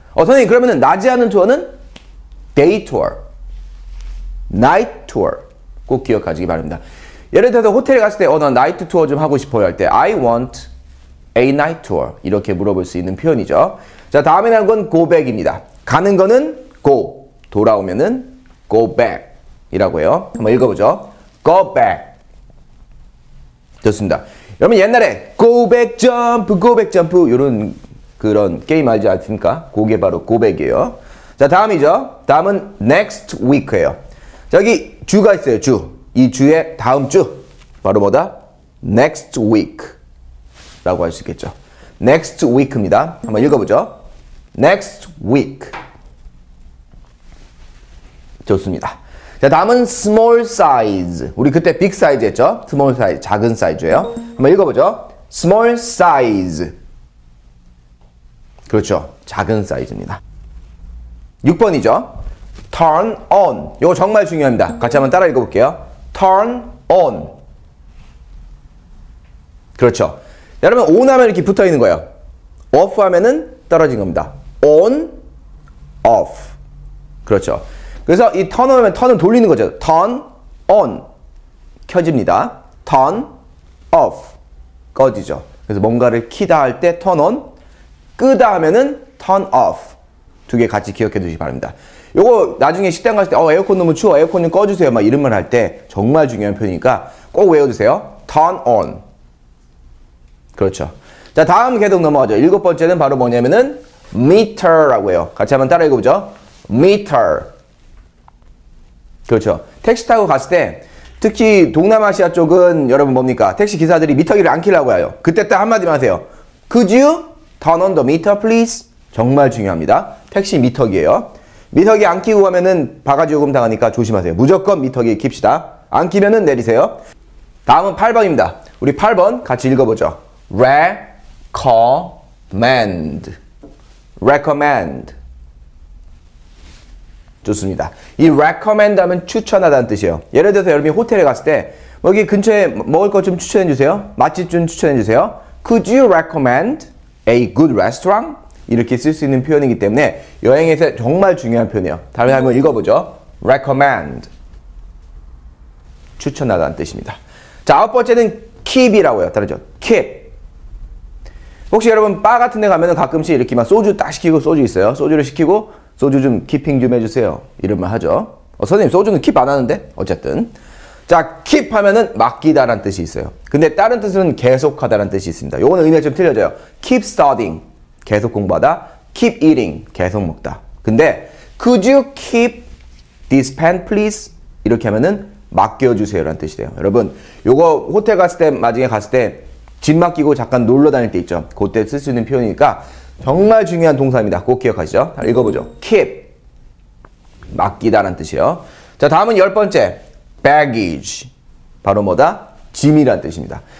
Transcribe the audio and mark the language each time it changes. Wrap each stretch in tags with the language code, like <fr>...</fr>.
<ko>선생님, 그러면은 낮에 하는 투어는 day tour.</ko> <en>Night tour.</en> <ko>꼭 기억하시기 바랍니다. 예를 들어서 호텔에 갔을 때, 난 night tour 좀 하고 싶어요 할 때,</ko> <en>I want a night tour.</en> <ko>이렇게 물어볼 수 있는 표현이죠. 자, 다음에 나온 건 go back입니다. 가는 거는 go. 돌아오면은 go back. 이라고 해요. 한번 읽어보죠. Go back. 좋습니다. 여러분 옛날에 Go back jump, go back jump 이런 그런 게임 알지 않습니까? 그게 바로 go back이에요. 자, 다음이죠. 다음은 next week예요. 여기 주가 있어요. 주. 이 주의 다음 주. 바로 뭐다? Next week. 라고 할 수 있겠죠.</ko> <en>Next week입니다.</en> <ko>한번 읽어보죠. Next week. 좋습니다. 자, 다음은 small size. 우리 그때 big size 했죠? small size, 작은 사이즈예요. 한번 읽어보죠. small size. 그렇죠. 작은 사이즈입니다. 6번이죠. turn on. 이거 정말 중요합니다. 같이 한번 따라 읽어볼게요.</ko> <en>turn on.</en> <ko>그렇죠. 여러분, on 하면 이렇게 붙어 있는 거예요. off 하면은 떨어진 겁니다.</ko> <en>on, off. 그렇죠.</en> <ko>그래서 이 turn on 하면 turn은 돌리는 거죠. turn on 켜집니다. turn off 꺼지죠. 그래서 뭔가를 키다 할 때 turn on, 끄다 하면은 turn off. 두 개 같이 기억해 두시기 바랍니다. 요거 나중에 식당 갔을 때 에어컨 너무 추워, 에어컨 좀 꺼주세요 막 이런 말 할 때 정말 중요한 표현이니까 꼭 외워주세요. turn on. 그렇죠. 자, 다음 계속 넘어가죠. 일곱 번째는 바로 뭐냐면은 meter 라고 해요. 같이 한번 따라 읽어보죠. meter. 그렇죠. 택시 타고 갔을 때 특히 동남아시아 쪽은 여러분 뭡니까? 택시 기사들이 미터기를 안 키려고 해요. 그때 딱 한마디만 하세요.</ko> <en>Could you turn on the meter please?</en> <ko>정말 중요합니다. 택시 미터기예요. 미터기 안 끼고 가면은 바가지 요금 당하니까 조심하세요. 무조건 미터기 킵시다. 안 끼면은 내리세요. 다음은 8번입니다. 우리 8번 같이 읽어보죠. Recommend. Recommend. 좋습니다. 이 recommend 하면 추천하다는 뜻이에요. 예를 들어서 여러분이 호텔에 갔을 때 여기 근처에 먹을 것 좀 추천해 주세요. 맛집 좀 추천해 주세요.</ko> <en>Could you recommend a good restaurant?</en> <ko>이렇게 쓸 수 있는 표현이기 때문에 여행에서 정말 중요한 표현이에요. 다음에 한번 읽어보죠. recommend 추천하다는 뜻입니다. 자, 아홉 번째는 keep이라고 해요. 따라하죠. keep. 혹시 여러분 바 같은 데 가면은 가끔씩 이렇게 막 소주 딱 시키고 소주 있어요. 소주를 시키고 소주 좀 키핑 좀 해주세요. 이런 말 하죠. 선생님 소주는 킵 안 하는데? 어쨌든. 자, 킵 하면은 맡기다라는 뜻이 있어요. 근데 다른 뜻은 계속하다라는 뜻이 있습니다. 요거는 의미가 좀 틀려져요.</ko> <en>Keep studying.</en> <ko>계속 공부하다.</ko> <en>Keep eating.</en> <ko>계속 먹다.</ko> <en>근데 Could you keep this pen please?</en> <ko>이렇게 하면은 맡겨주세요라는 뜻이 돼요. 여러분 요거 호텔 갔을 때 나중에 갔을 때 짐 맡기고 잠깐 놀러 다닐 때 있죠. 그때 쓸 수 있는 표현이니까 정말 중요한 동사입니다. 꼭 기억하시죠? 읽어보죠. keep. 맡기다란 뜻이에요. 자, 다음은 열 번째. baggage. 바로 뭐다? 짐이란 뜻입니다.</ko>